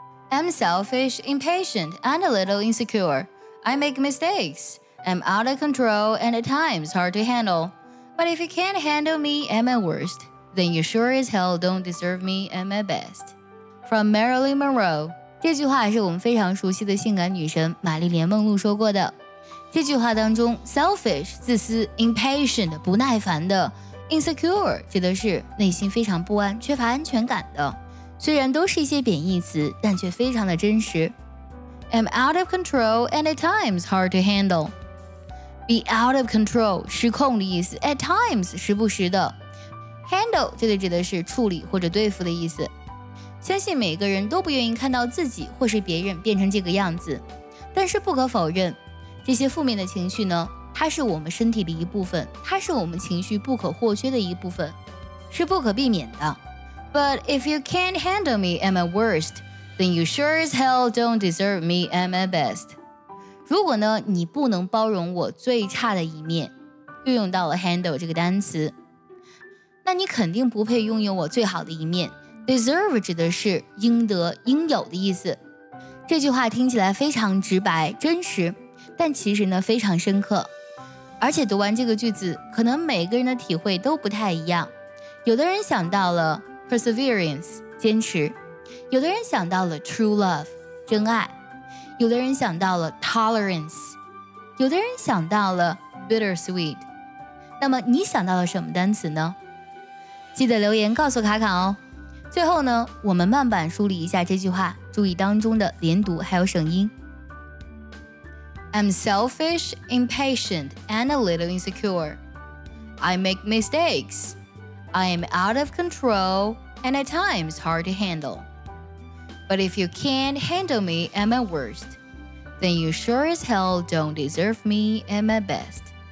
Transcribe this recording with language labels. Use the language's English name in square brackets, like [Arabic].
[English] I'm selfish, impatient, and a little insecure. I make mistakes. I'm out of control and at times hard to handle. But if you can't handle me at my worst, then you sure as hell don't deserve me at my best. From Marilyn Monroe. [Chinese] 这句话是我们非常熟悉的性感女神玛丽莲梦露说过的。这句话当中 selfish 自私 impatient 不耐烦的 insecure 指的是内心非常不安缺乏安全感的，虽然都是一些贬义词，但却非常的真实。 [English] I'm out of control and at times hard to handle. Be out of control [Chinese] 失控的意思， [English] at times [Chinese] 时不时的， handle 这里指的是处理或者对付的意思。相信每个人都不愿意看到自己或是别人变成这个样子，但是不可否认，这些负面的情绪呢，它是我们身体的一部分，它是我们情绪不可或缺的一部分，是不可避免的。 [English] But if you can't handle me at my worst, then you sure as hell don't deserve me at my best. [Chinese] 如果呢，你不能包容我最差的一面，又用到了 handle 这个单词，那你肯定不配拥有我最好的一面。 Deserve 指的是应得应有的意思。这句话听起来非常直白真实，但其实呢非常深刻，而且读完这个句子，可能每个人的体会都不太一样。有的人想到了 perseverance 坚持，有的人想到了 true love 真爱，有的人想到了 tolerance， 有的人想到了 bittersweet。那么你想到了什么单词呢？记得留言告诉卡卡哦。最后呢，我们慢板梳理一下这句话，注意当中的连读还有省音。 [English] I'm selfish, impatient, and a little insecure. I make mistakes. I am out of control, and at times hard to handle. But if you can't handle me at my worst, then you sure as hell don't deserve me at my best.